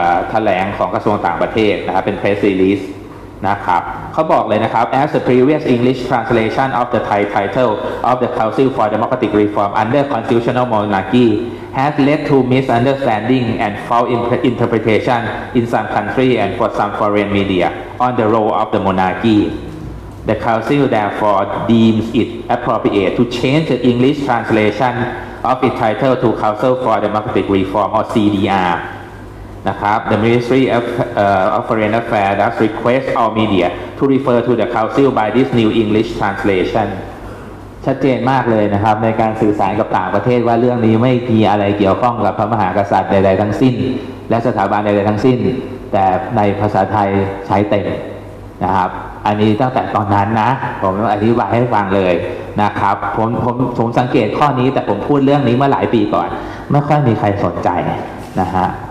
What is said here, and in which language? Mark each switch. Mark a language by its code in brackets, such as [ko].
[th] แถลงของกระทรวงต่างประเทศนะครับเป็น [en] press release [th] นะครับเขาบอกเลยนะครับ [en] as the previous English translation of the Thai title of the Council for Democratic Reform under constitutional monarchy has led to misunderstanding and false interpretation in some country and for some foreign media on the role of the monarchyThe Council therefore deems it appropriate to change the English translation of its title to Council for Democratic Reform or CDR. นะครับ The Ministry of Foreign Affairs does request all media to refer to the Council by this new English translation. [th] ชัดเจนมากเลยนะครับในการสื่อสารกับต่างประเทศว่าเรื่องนี้ไม่มีอะไรเกี่ยวข้องกับพระมหากษัตริย์ใดๆทั้งสิ้นและสถาบันใดๆทั้งสิ้นแต่ในภาษาไทยใช้เต็มนะครับอันนี้ตั้งแต่ตอนนั้นนะผมอธิบายให้ฟังเลยนะครับผมสังเกตข้อนี้แต่ผมพูดเรื่องนี้มาหลายปีก่อนไม่ค่อยมีใครสนใจนะฮะ